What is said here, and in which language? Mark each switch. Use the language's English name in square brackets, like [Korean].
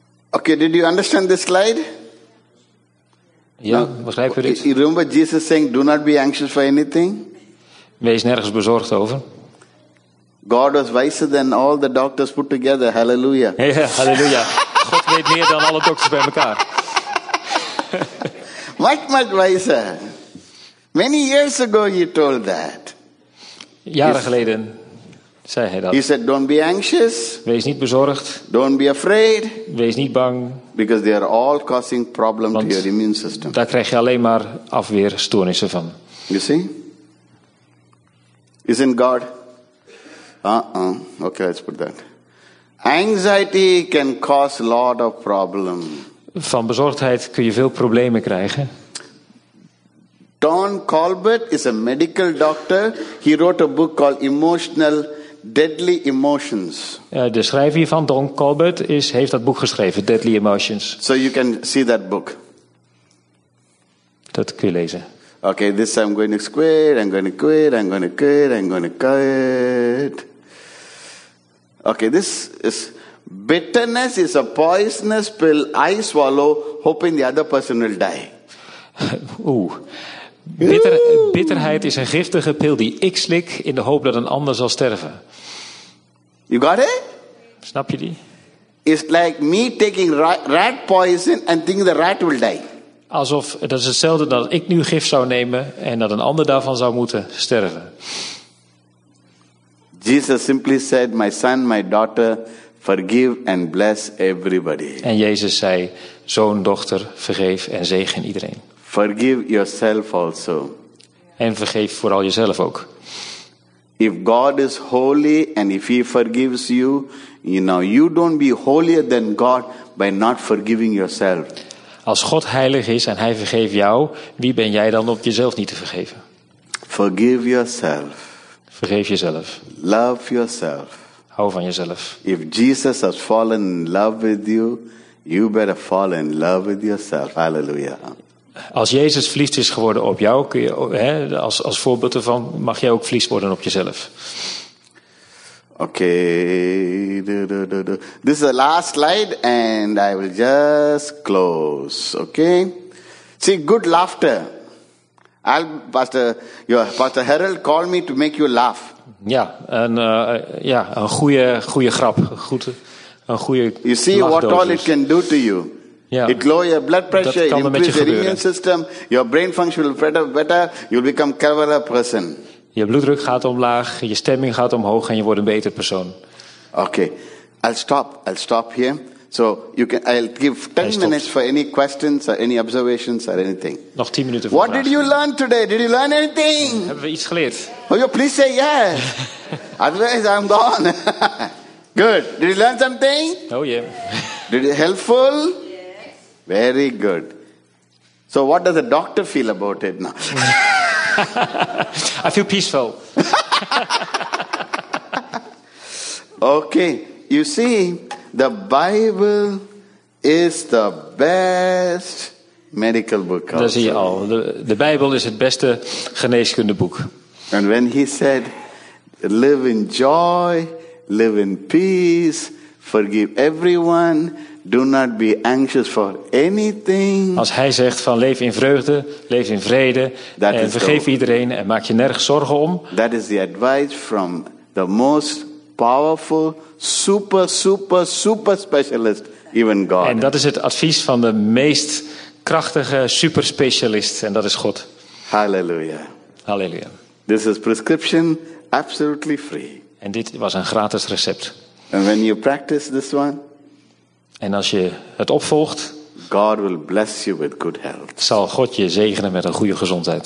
[English] Okay, did you understand this slide? [Dutch] Ja, begrijpen we dit? [English] You remember Jesus saying, do not be anxious for anything? [Dutch] Wees nergens bezorgd over. [English] God was wiser than all the doctors put together. Hallelujah. [Dutch] Ja, hallelujah. God weet meer dan alle dokters bij elkaar. [English] Much, much wiser. Many years ago he told that. [Dutch] Jaren geleden. Zei hij dat. [English] He said, don't be anxious. [Dutch] Wees niet bezorgd. [English] Don't be afraid. [Dutch] Wees niet bang. [English] Because they are all causing problems to your immune system. [Dutch] Daar krijg je alleen maar afweerstoornissen van. [English] You see? Isn't God? Okay, let's put that. Anxiety can cause a lot of problems. [Dutch] van bezorgdheid kun je veel problemen krijgen. [English] Don Colbert is a medical doctor. He wrote a book called Emotional Deadly Emotions. [Dutch] De schrijver hiervan, Don Colbert, heeft dat boek geschreven, Deadly Emotions. [English] So you can see that book. [Dutch] Dat kun je lezen. [English] Okay, this I'm going to quit, I'm going to quit, I'm going to quit, I'm going to quit. Okay, this is bitterness is a poisonous pill I swallow, hoping the other person will die. Oeh. [Dutch] Bitterheid is een giftige pil die ik slik in de hoop dat een ander zal sterven. [English] You got it? [Dutch] Snap je die? [English] It's like me taking rat poison and thinking the rat will die. [Dutch] Alsof, dat is hetzelfde dat ik nu gif zou nemen en dat een ander daarvan zou moeten sterven. [English] Jesus simply said, my son, my daughter, forgive and bless everybody. [Dutch] En Jezus zei, zoon, dochter, vergeef en zegen iedereen. [English] Forgive yourself also. [Dutch] En vergeef vooral jezelf ook. [English] If God is holy and if he forgives you, you know, you don't be holier than God by not forgiving yourself. [Dutch] Als God heilig is en hij vergeeft jou, wie ben jij dan om jezelf niet te vergeven? [English] Forgive yourself. [Dutch] Vergeef jezelf. [English] Love yourself. [Dutch] Hou van jezelf. [English] If Jesus has fallen in love with you, you better fall in love with yourself. Hallelujah. [Dutch] Als Jezus verliefd is geworden op jou, kun je, hè, als voorbeeld ervan, mag jij ook verliefd worden op jezelf. Oké. Okay. [English] This is the last slide and I will just close. Okay. See, good laughter. Pastor Harold called me to make you laugh. [Dutch] Ja, een goede grap. Een goede. [English] You see what all it can do to you. [Dutch] Ja, [English] it lower your blood pressure, it increases your immune system, your brain function will better, you'll become a cleverer person. [Dutch] Je bloeddruk gaat omlaag, je stemming gaat omhoog en je wordt een beter persoon. [English] Okay, I'll stop here. So I'll give 10 minutes for any questions or any observations or anything. [Dutch] Nog 10 minuten voor [English] What [Dutch] vragen. [English] Did you learn today? Did you learn anything? [Dutch] Hebben we iets geleerd? [English] Oh, you please say yes. Otherwise I'm gone. Good. Did you learn something? Oh yeah. Did it helpful? Very good. So what does the doctor feel about it now? I feel peaceful. Okay. You see, the Bible is the best medical book. [Dutch] Dat zie je al. De Bijbel is het beste geneeskundeboek. [English] And when he said, live in joy, live in peace, forgive everyone, do not be anxious for anything. [Dutch] Als hij zegt van leef in vreugde, leef in vrede, [English] that [Dutch] en vergeef iedereen en maak je nergens zorgen om. [English] That is the advice from the most powerful, super, super, super specialist, even God. [Dutch] En dat is het advies van de meest krachtige super specialist, en dat is God. [English] Hallelujah. [Dutch] Hallelujah. [English] This is prescription, absolutely free. [Dutch] En dit was een gratis recept. [English] And when you practice this one. [Dutch] En als je het opvolgt, [English] God will bless you with good health. [Dutch] Zal God je zegenen met een goede gezondheid.